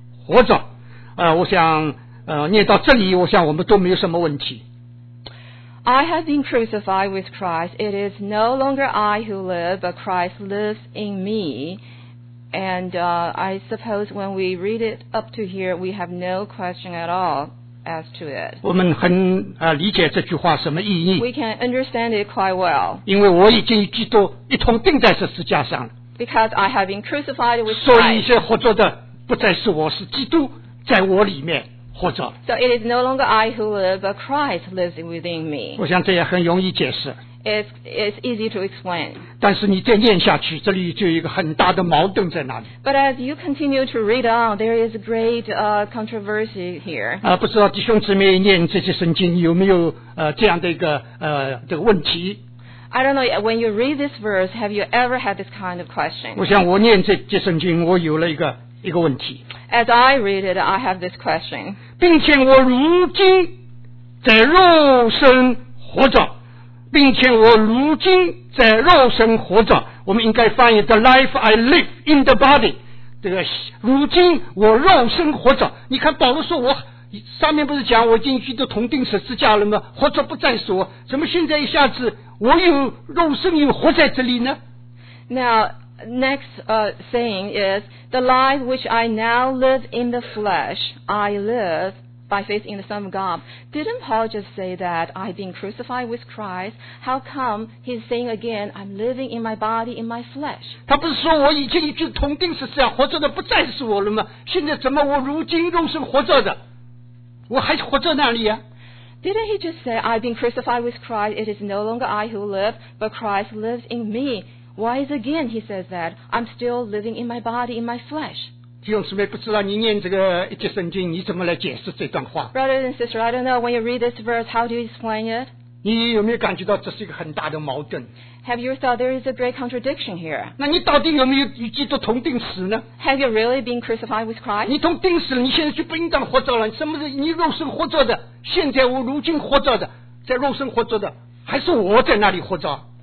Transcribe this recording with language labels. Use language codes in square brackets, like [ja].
[zh] 活着，我想，念到这里，我想我们都没有什么问题。 [en] I have been crucified with Christ. It is no longer I who live, but Christ lives in me. And I suppose when we read it up to here, we have no question at all as to it. [zh] 我们很理解这句话什么意义。 [en] We can understand it quite well. [zh] 因为我已经与基督一同钉在十字架上了。 [en] Because I have been crucified with Christ. [zh] 所以一些活着的。不再是我，是基督在我里面活着。 [en] So it is no longer I who live, but Christ lives within me. [zh] 我想这也很容易解释。 [en] It's easy to explain. [zh] 但是你再念下去，这里就有一个很大的矛盾在那里。 [en] But as you continue to read on, there is a great controversy here. [zh] 不知道弟兄姊妹念这些圣经有没有这样的一个这个问题。 [en] I don't know, when you read this verse, have you ever had this kind of question? [zh] 我想我念这些圣经，我有了一个问题。 [en] As I read it, I have this question. [zh] 并且我如今在肉身活着，并且我如今在肉身活着。我们应该翻译 [en] the life I live in the body. [zh] 这个如今我肉身活着。你看保罗说我上面不是讲我已经与基督同钉十字架了吗？活着不再是我，怎么现在一下子我有肉身又活在这里呢 [en] ？Now. Next saying is, the life which I now live in the flesh, I live by faith in the Son of God. Didn't Paul just say that I've been crucified with Christ? How come he's saying again, I'm living in my body, in my flesh? [zh] 他不是说我已经与基督同钉十字架，活着的不再是我了吗？现在怎么我如今肉身活着的，我还活在那里啊？ [en] Didn't he just say, I've been crucified with Christ, it is no longer I who live, but Christ lives in me? Why is again he says that I'm still living in my body, in my flesh? [zh] 弟兄姊妹，不知道你念这个一节圣经，你怎么来解释这段话 [en] ？Brothers and sisters, I don't know when you read this verse, how do you explain it? [zh] 你有没有感觉到这是一个很大的矛盾 [en] ？Have you thought there is a great contradiction here? [zh] 那你到底有没有与基督同钉死呢 [en] ？Have you really been crucified with Christ? [zh] 你同钉死了，你现在就不应当活着了。什么是你肉身活着的？现在我如今活着的，在肉身活着的，还是我在那里活着？